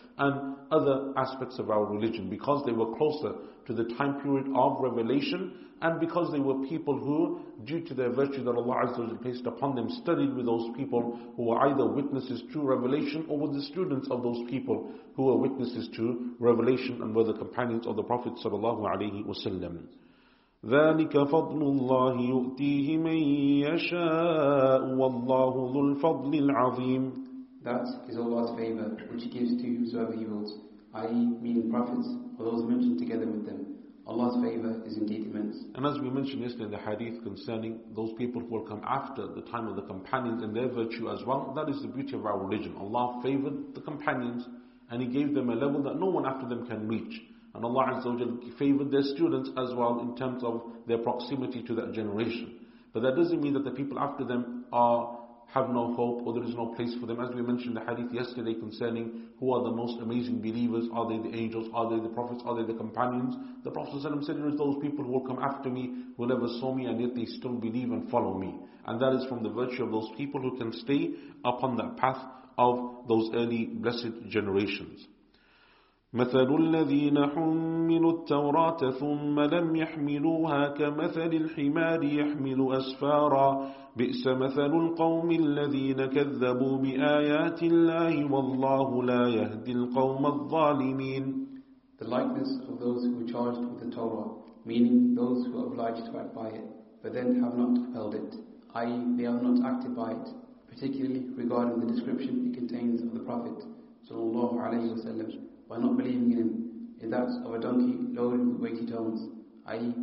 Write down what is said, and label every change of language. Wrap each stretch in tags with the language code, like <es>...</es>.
<en>and other aspects of our religion, because they were closer to the time period of revelation and because they were people who, due to their virtue that Allah Azza wa Jal placed upon them, studied with those people who were either witnesses to revelation or were the students of those people who were witnesses to revelation and were the companions of the Prophet sallallahu alayhi wa sallam.</en> <ar>ذلك فضل الله يؤتيه من يشاء والله ذو الفضل العظيم.</ar> <en>That is Allah's favor which He gives to whosoever He wills, i.e. meaning prophets or those mentioned together with them. Allah's favor is indeed immense. And as we mentioned yesterday in the hadith concerning those people who will come after the time of the companions and their virtue as well, that is the beauty of our religion. Allah favored the companions and He gave them a level that no one after them can reach. And Allah Azza wa Jal favored their students as well in terms of their proximity to that generation. But that doesn't mean that the people after them have no hope or there is no place for them. As we mentioned the hadith yesterday concerning who are the most amazing believers, are they the angels, are they the prophets, are they the companions? The Prophet ﷺ said, there is those people who will come after me, who never saw me, and yet they still believe and follow me. And that is from the virtue of those people who can stay upon that path of those early blessed generations.</en> <ar>مثل الذين حملوا التوراة ثم لم يحملوها كمثل الحمار يحمل أسفارا بئس مثل القوم الذين كذبوا بآيات الله والله لا يهدي القوم الظالمين.</ar> <en>The likeness of those who charged with the Torah, meaning those who are obliged to act by it, but then have not upheld it, i.e. they have not acted by it, particularly regarding the description it contains of the Prophet sallallahu alayhi wa sallam, by not believing in him, is that of a donkey loaded with weighty tones, i.e.</en>